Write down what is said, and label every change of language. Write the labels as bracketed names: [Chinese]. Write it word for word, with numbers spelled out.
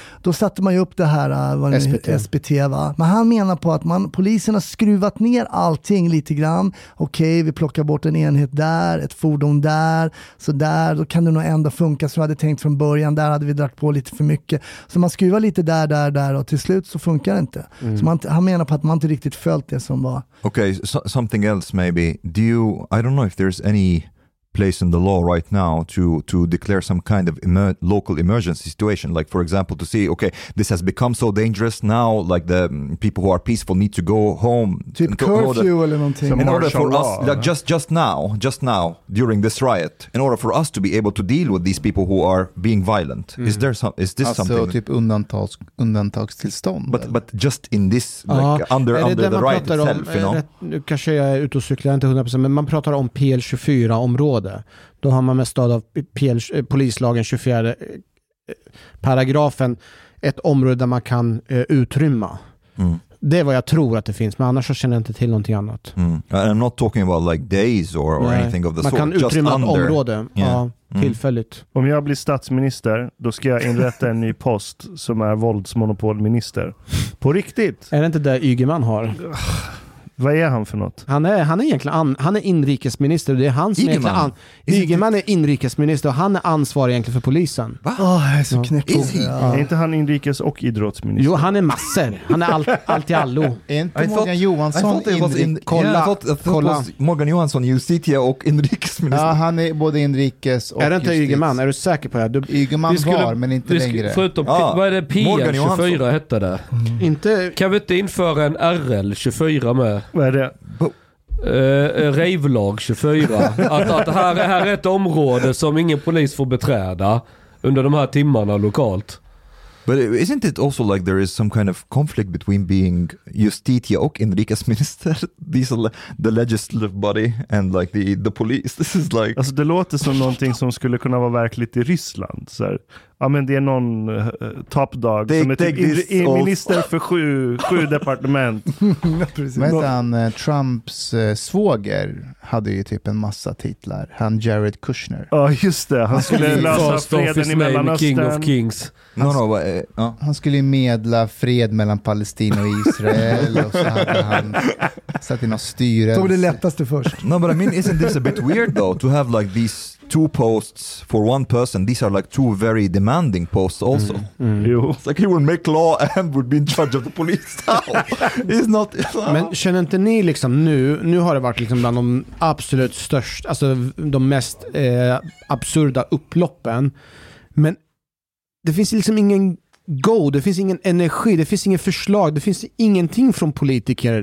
[Swedish] Då satte man ju upp det här, var det S P T. S P T, va? Men han menar på att man, polisen har skruvat ner allting lite grann. Okej, vi plockar bort en enhet där, ett fordon där, så där, då kan det nog ändå funka. Så jag hade tänkt från början, där hade vi dragit på lite för mycket. Så man skruvar lite där, där, där och till slut så funkar det inte. Mm. Så man, han menar på att man inte riktigt följt det som var. [English] Okej, okay, so, something else maybe. Do you, I don't know if there's any place in the law right now to to declare some kind of emer- local emergency situation, like for example to see, okay, this has become so dangerous now, like the um, people who are peaceful need to go home, [Swedish] typ [English] curfew [Swedish] eller någonting, [English] in order for us, like just just now just now during this riot, in order for us to be able to deal with these people who are being violent. Mm. Is there some, is this [Swedish] alltså, [English] something [Swedish] typ undantags undantagstillstånd, [English] but, but just in this, like, ja, under under the riot itself, om, you know? [Swedish] Rätt, nu kanske jag är ute och cyklar, inte hundra procent, men man pratar om P L tjugofyra område. Då har man med stöd av P L, polislagen tjugofjärde paragrafen ett område där man kan eh, utrymma. Mm. Det är vad jag tror att det finns, men annars så känner jag inte till någonting annat. Mm. [English] I'm not talking about like days or, or anything of the [Swedish] man [English] sort. [Swedish] Man kan utrymma ett under område, yeah. Ja, mm. Tillfälligt. Om jag blir statsminister, då ska jag inrätta en ny post som är våldsmonopolminister. På riktigt. Är det inte det Ygeman har? Vad är han för något? Han är, han är egentligen an, han är inrikesminister. Det är han som Ygeman. An, Ygeman är inrikesminister och han är ansvarig egentligen för polisen. Va? Oh, är så knäckig. Ja. Är inte han inrikes- och idrottsminister? Jo, han är massor. Han är allt, allt i allo. Är inte Morgan Johansson inrikes? Kolla. Morgan Johansson, justitie och inrikesminister. Ja, han är både inrikes och är det inte Ygeman? Är du säker på det? Du, Ygeman skulle, var, men inte längre. Förutom, ja. Vad är det? P L tjugofyra hette det. Mm. Inte, kan vi inte införa en R L tjugofyra med? Vad är det? Uh, Rejvlag tjugofyra. att, att här, här är ett område som ingen polis får beträda under de här timmarna lokalt. [English] But isn't it also like there is some kind of conflict between being [Swedish] justitia och inrikesminister, [English] these are the legislative body and like the the police. This is like, [Swedish] alltså det låter som någonting som skulle kunna vara verkligt i Ryssland så här. Ja, men det är någon uh, [English] top dog take, [Swedish] som är typ in, in minister för sju, sju departement. Men han, Trumps uh, svåger hade ju typ en massa titlar. Han Jared Kushner. Ja, just det. Han skulle lösa freden i Mellanöstern. [English] King of Kings. No, no, but, uh, uh. [Swedish] Han skulle medla fred mellan Palestina och Israel och så hade han satt i något styre. Tog det lättaste först. [English] No, but I mean, isn't this a bit weird though to have like these two posts for one person? These are like two very demanding posts also. Mm. Mm. It's like he would make law and would be in charge of the police. It's not, it's [Swedish] men känner inte ni liksom nu, nu har det varit liksom bland de absolut största, alltså de mest eh, absurda upploppen, men det finns liksom ingen go, det finns ingen energi, det finns ingen förslag, det finns ingenting från politiker.